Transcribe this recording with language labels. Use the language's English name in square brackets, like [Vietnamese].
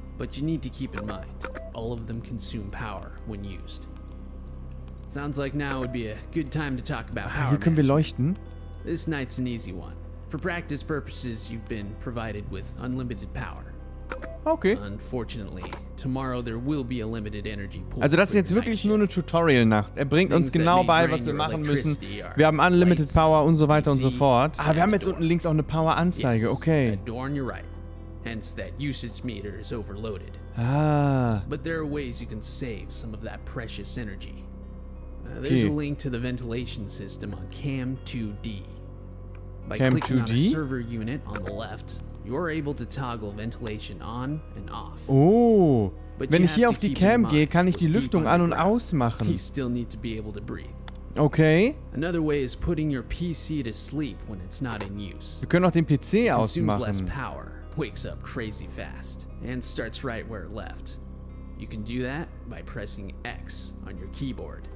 [English] But you need to keep in mind, all of them consume power when used. Sounds like now would be a good time to talk about power. [German] Hier können wir leuchten. [English] This night's an easy one. For practice purposes, you've been provided with unlimited power. Okay. Unfortunately, tomorrow there will be a limited energy pool. [German] Also das ist jetzt wirklich nur eine Tutorial-Nacht. Er bringt uns genau bei, was wir machen müssen. Wir haben unlimited power und so weiter und so fort. Ah, wir haben jetzt unten links auch eine Power-Anzeige. Okay. [English] Adorn your right. Hence that usage meter is overloaded. Ah. But there are ways you can save some of that precious energy. There's a link to the ventilation system on Cam 2D. By clicking on a server unit on the left, you're able to toggle ventilation on and off. [German] Oh, wenn ich hier auf die Cam gehe, kann ich die Lüftung an und ausmachen. [English] You still need to be able to breathe. Okay. Another way is putting your PC to sleep when it's not in use. [German] Wir können auch den PC ausmachen. [English] Consumes less power, wakes up crazy fast, and starts right where it left. You can do that by pressing X on your keyboard.